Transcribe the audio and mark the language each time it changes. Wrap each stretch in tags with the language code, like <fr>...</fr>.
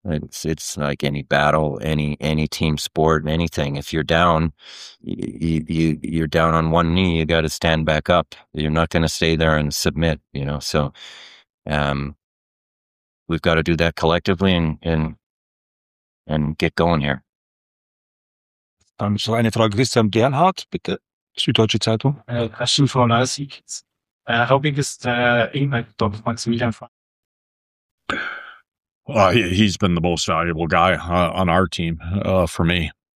<en>It's like any battle, any team sport, anything. If you're down, you're down on one knee, you got to stand back up. You're not going to stay there and submit, you know? So, we've got to do that collectively and get going here.</en> <de>Dann so eine Frage, Christian Gernhardt, bitte. Süddeutsche Zeitung.</de> <en>Question for Leipzig. How big is the impact of Maximilian Franck? He's been the most valuable guy on our team for me.</en>